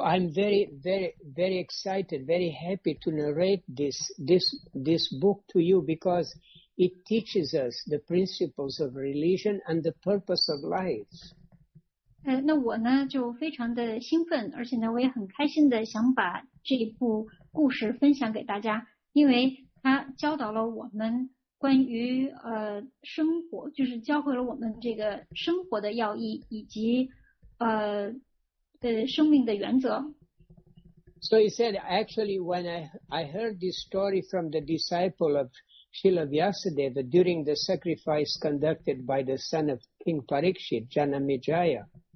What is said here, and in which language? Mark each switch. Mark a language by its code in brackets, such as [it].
[en] I'm very, very, very excited, very happy to narrate this book to you because it teaches us the principles of religion and the purpose of life. [zh] 那我呢就非常的兴奋，而且呢我也很开心的想把这部故事分享给大家，因为。他教导了我们关于生活，就是教会了我们这个生活的要义以及生命的原则。So [en] he said, actually, when I heard this story from the disciple of Srila Vyasadeva during the sacrifice conducted by the son of King Parikshit, Janamejaya.